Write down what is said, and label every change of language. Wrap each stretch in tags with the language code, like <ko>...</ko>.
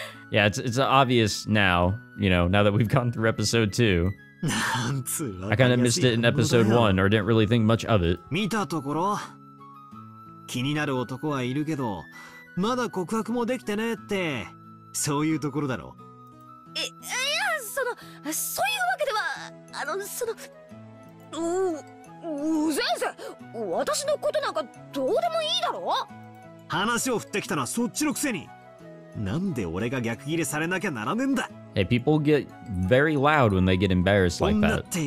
<en>Yeah, it's obvious now, you know, now that we've gone through episode two. I kind of missed it in episode one, or didn't really think much of it.</en> <ja>いや、その、そういうところだろ。いや、その、私のことなんかどうでもいいだろ。話を振ってきたのはそっちのくせに。なんで俺が逆切れされなきゃならねえんだ。</ja> <en>Hey, people get very loud when they get embarrassed like that.</en>